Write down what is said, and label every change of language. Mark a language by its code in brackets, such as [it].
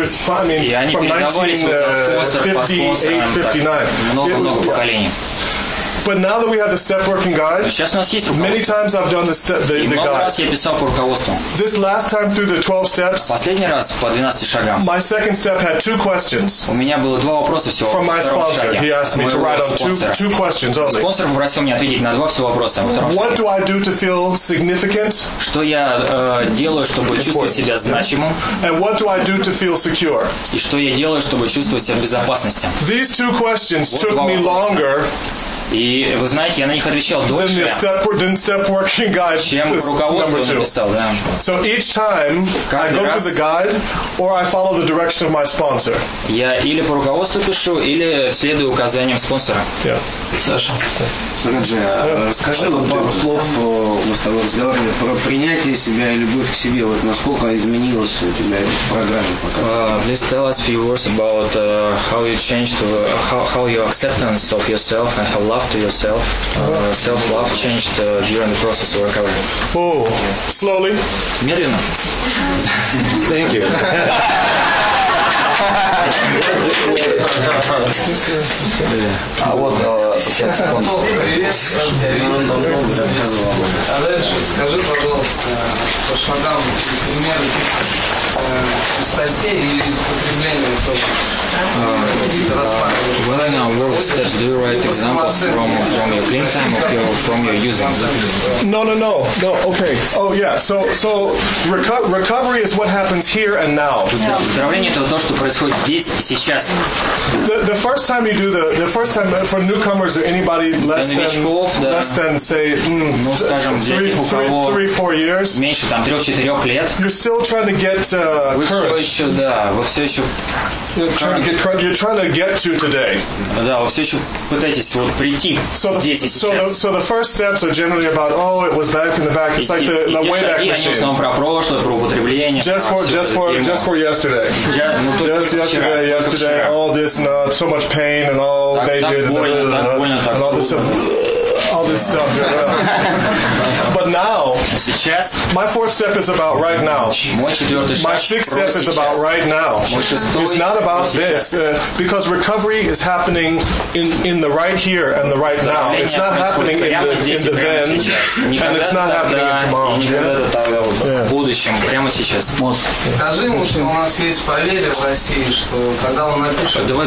[en] I mean, from 1958-59. But now that we have the step working guide, many times I've done the guide. This last time through the 12 steps, my second step had two questions. [ru] У меня было два вопроса всего. [en] From my sponsor, he asked me to write on two questions only. [ru] Спонсор попросил меня ответить на два всего вопроса. [en] What do I do to feel significant? [ru] Что я делаю, чтобы чувствовать себя значимым? [en] And what do I do to feel secure? [ru] И что я делаю, чтобы чувствовать себя в безопасности? [en] These two questions took me longer. [ru] И вы знаете, я на них отвечал дольше, чем руководство написал. Да. [en] So each time I go through the guide or I follow the direction of my sponsor. [ru] Я или по руководству пишу, или следую указаниям спонсора. Саша. Раджи, расскажи пару слов, мы с тобой разговаривали, про принятие себя и любовь к себе. Вот насколько изменилась у тебя программа пока? [en] Please tell us a few words about how you changed, how your acceptance of yourself and how love to yourself, self-love changed during the process of recovery. Oh, slowly. [ru] Медленно. [en] Thank you. [ru] А вот сейчас он. Олеж, скажи, пожалуйста, по шагам, примерно чистоте или употреблению тоже. [en] When in our work steps, do you write examples from your clean time or from your using? No. Okay. Oh yeah. So recovery is what happens here and now. [ru] Здравление это то, что происходит здесь и сейчас. [en] The first time you do the first time for newcomers or anybody less than say three four years. [ru] Меньше там 3-4 лет. [en] You're still trying to get courage. You're trying to get to today. [ru] Да, вы все еще пытаетесь вот прийти здесь и сейчас. [en] So the first steps are generally about, oh, it was back in the back. It's like the way back machine. [ru] И шаги, они в основном про прошлое, про употребление. [en] Just for yesterday. Just yesterday, all this, and so much pain, and all they did, all this stuff. But now, [ru] сейчас, [en] my fourth step is about right now. My sixth step is about right now. It's not about this, because recovery is happening in the right here and the right now. It's not happening in the then, and it's not happening tomorrow. [ru] В будущем, прямо сейчас. Скажи ему, что у нас есть поверье в России, что когда он напишет...